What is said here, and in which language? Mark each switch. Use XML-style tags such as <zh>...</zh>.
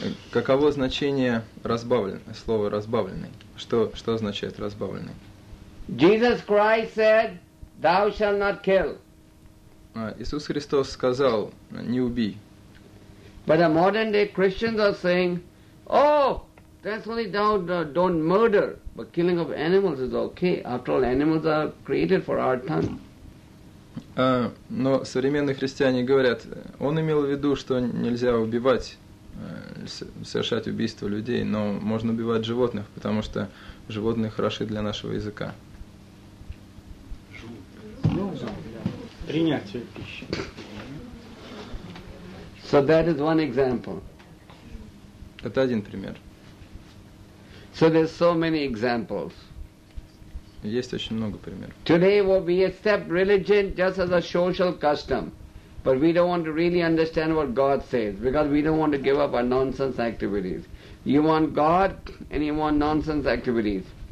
<ru>Каково значение разбавленное, слово разбавленный? Что означает разбавленный?</ru> <en>Jesus Christ said, "Thou shalt not kill."</en> <ru>Иисус Христос сказал: "Не убий."</ru> <en>But the modern-day Christians are saying, "Oh, that's only don't murder, but killing of animals is okay. After all, animals are created for our time."</en> <ru>Но современные христиане говорят: "Он имел в виду, что нельзя убивать." Совершать убийство людей, но можно убивать животных, потому что животные хороши для нашего языка. Принятие пищи.</ru> <en>So that is one example.</en> <ru>Это один пример.</ru> <en>So there's so many examples.</en> <ru>Есть очень много примеров.</ru> <en>Today we accept religion just as a social custom. But we don't want to really understand what God says, because we don't want to give up our nonsense activities. You want God and you want nonsense activities.</en>